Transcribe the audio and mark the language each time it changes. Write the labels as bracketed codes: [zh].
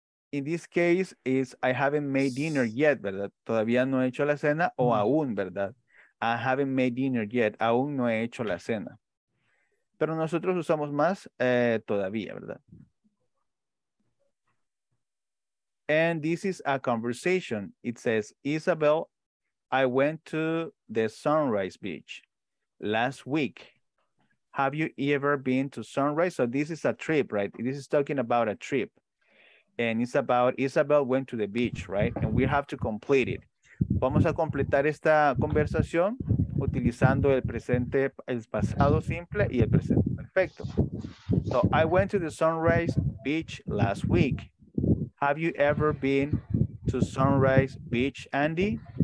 [en] In this case, is I haven't made dinner yet, [es] ¿verdad? Todavía no he hecho la cena o aún, ¿verdad? [en] I haven't made dinner yet. [es] Aún no he hecho la cena. Pero nosotros usamos más todavía, ¿verdad? [en] And this is a conversation. It says, Isabel, I went to the Sunrise Beach last week. Have you ever been to Sunrise? So this is a trip, right? This is talking about a trip. And it's about Isabel went to the beach, right? And we have to complete it. [es] Vamos a completar esta conversación utilizando el presente, el pasado simple y el presente perfecto. [en] So, I went to the Sunrise Beach last week. Have you ever been to Sunrise Beach, Andy?